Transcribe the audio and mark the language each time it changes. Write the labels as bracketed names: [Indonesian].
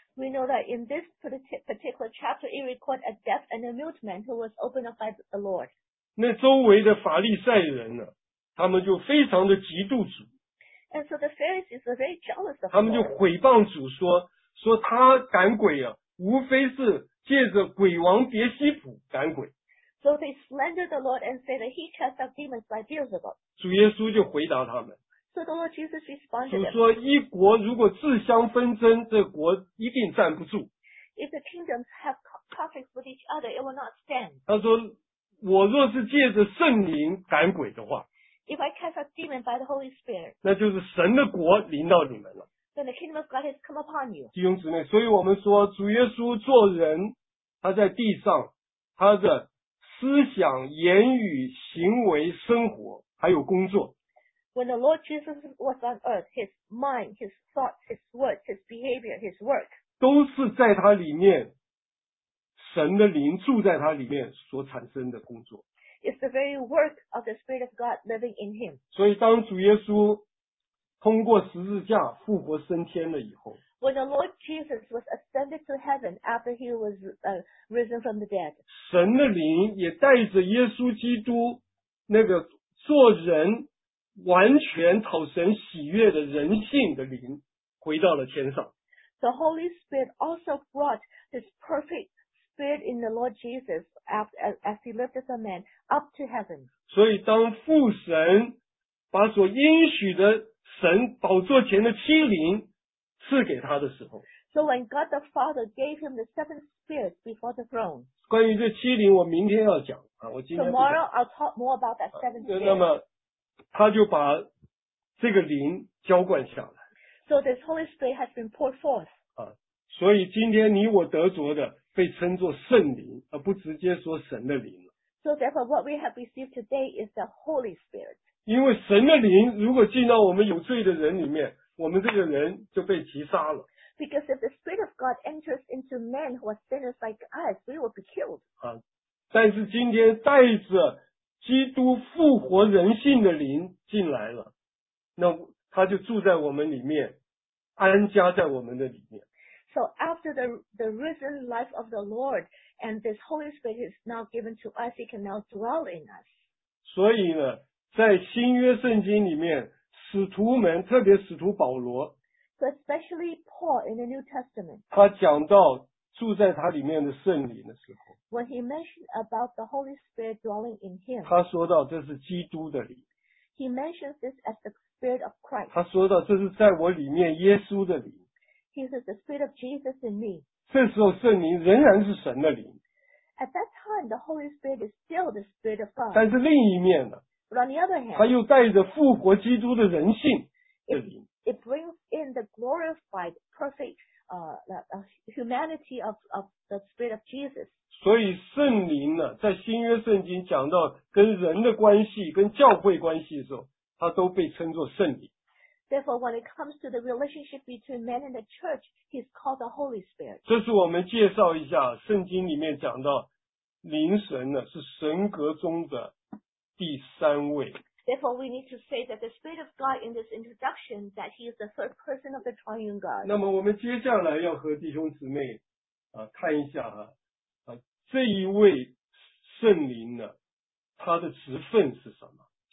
[English] We know that in this particular chapter, it records a deaf and a mute man who was opened up by the Lord. [Chinese] 那周围的法利赛人呢，他们就非常的嫉妒主。 [English] And so the Pharisees were very jealous of him. [Chinese] 他们就毁谤主说他赶鬼啊，无非是借着鬼王别西卜赶鬼。 [English] So they slandered the Lord and said that he cast out demons by Beelzebub. [Chinese] 主耶稣就回答他们。 [English] So the Lord Jesus responded. [Chinese] 主说一国如果自相纷争，这国一定站不住。 [English] If the kingdoms have conflicts with each other, it will not stand. [Chinese] 他说，我若是借着圣灵赶鬼的话， [English] If I cast out demons by the Holy Spirit, [Chinese] 那就是神的国临到你们了。 [English] Then the kingdom of God has come upon you. [Chinese] 弟兄姊妹，所以我们说主耶稣做人，他在地上，他的思想、言语、行为、生活，还有工作。 [English] When the Lord Jesus was on earth, his mind, his thoughts, his words, his behavior, his work, [Chinese] 都是在他里面，神的灵住在他里面所产生的工作。 [English] It's the very work of the Spirit of God living in him. [Chinese] 所以当主耶稣通过十字架复活升天了以后， [English] When the Lord Jesus was ascended to heaven after he was risen from the dead, [Chinese] 神的灵也带着耶稣基督那个做人完全讨神喜悦的人性的灵回到了天上。 [English] The Holy Spirit also brought this perfect spirit in the Lord Jesus as he lived as a man up to heaven. [Chinese] 所以当父神把所应许的神宝座前的七灵赐给他的时候， [English] So when God the Father gave him the seven spirits before the throne, [Chinese] 关于这七灵我明天要讲啊，我今天 [English] Tomorrow I'll talk more about that seven spirits. [Chinese] 那么他就把这个灵浇灌下来， [English] So this Holy Spirit has been poured forth. [Chinese] 啊，所以今天你我得着的被称作圣灵，而不直接说神的灵了。 [English] So therefore what we have received today is the Holy Spirit. [Chinese] 因为神的灵如果进到我们有罪的人里面，我们这个人就被击杀了。 [English] Because if the spirit of God enters into men who are sinners like us, we will be killed. [Chinese] 啊，但是今天带着基督复活人性的灵进来了，那他就住在我们里面，安家在我们的里面。 [English] So after the risen life of the Lord and this Holy Spirit is now given to us, he can now dwell in us. [Chinese] 所以呢，在新约圣经里面，使徒们，特别使徒保罗， [English] so、especially Paul in the New Testament, [Chinese] 他讲到住在他里面的圣灵的时候， [English] when he mentioned about the Holy Spirit dwelling in him, [Chinese] 他说到这是基督的灵， [English] he mentions this as the Spirit of Christ, [Chinese] 他说到这是在我里面耶稣的灵， [English] he says the Spirit of Jesus in me, [Chinese] 这时候圣灵仍然是神的灵， [English] at that time the Holy Spirit is still the Spirit of God, [Chinese] 但是另一面呢， [English] But on the other hand, [Chinese] 他又带着复活基督的人性的灵。 [English] It brings in the glorified, perfect, humanity of the Spirit of Jesus. [Chinese] 所以圣灵呢，在新约圣经讲到跟人的关系、跟教会关系的时候，他都被称作圣灵。 [English] Therefore, when it comes to the relationship between man and the church, he's called the Holy Spirit. [Chinese] 这是我们介绍一下圣经里面讲到灵神的是神格中的第三位。 [English] Therefore, we need to say that the Spirit of God in this introduction, that he is the third person of the triune God. [Chinese] 那么我们接下来要和弟兄姊妹看一下这一位圣灵呢他的职分是什么。